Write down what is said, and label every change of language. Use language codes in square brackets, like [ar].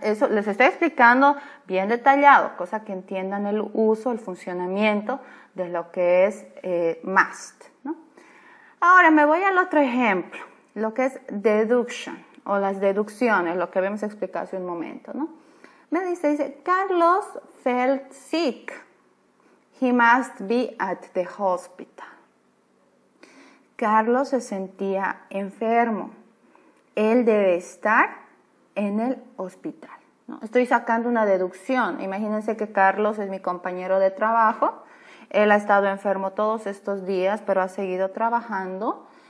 [es] Eso les estoy explicando bien detallado, cosa que entiendan el uso, el funcionamiento de lo que es must, ¿no? Ahora me voy al otro ejemplo, lo que es deduction o las deducciones, lo que habíamos explicado hace un momento, ¿no? Me dice, [en] Carlos felt sick. He must be at the hospital. [es] Carlos se sentía enfermo. Él debe estar en el hospital, ¿no? Estoy sacando una deducción. Imagínense que Carlos es mi compañero de trabajo. Él ha estado enfermo todos estos días, pero ha seguido trabajando.